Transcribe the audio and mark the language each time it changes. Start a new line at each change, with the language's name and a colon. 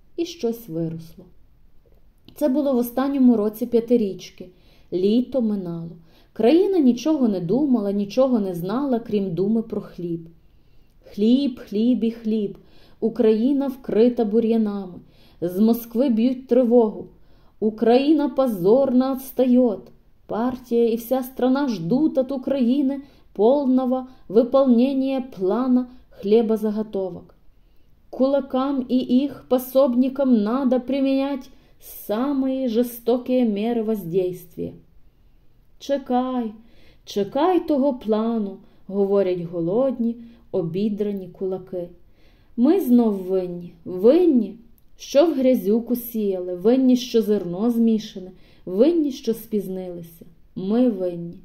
Ukrainian: І щось виросло. Це було в останньому році п'ятирічки. Літо минало. Країна нічого не думала, нічого не знала, крім думи про хліб. Хліб, хліб і хліб. Україна вкрита бур'янами. З Москви б'ють тривогу.
Russian: Україна позорно отстаёт. Партія і вся страна ждут от України повного виполнення плана хлебозаготовок. Кулакам и их пособникам надо применять самые жестокие меры воздействия.
Ukrainian: «Чекай, чекай того плану», – говорять голодні, обідрані кулаки. «Ми знов винні. Винні, що в грязюку сіяли, винні, що зерно змішане, винні, що спізнилися. Ми винні.